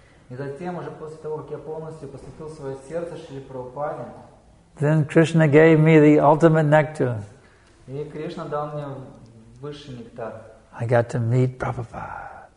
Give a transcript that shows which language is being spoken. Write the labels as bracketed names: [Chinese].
[Russian] И затем уже после того, как я полностью посвятил свое сердце Шриле Прабхупаде. [English] Then Krishna gave me the ultimate nectar. [Russian] И Кришна дал мне высший нектар. [English] I got to meet Prabhupada.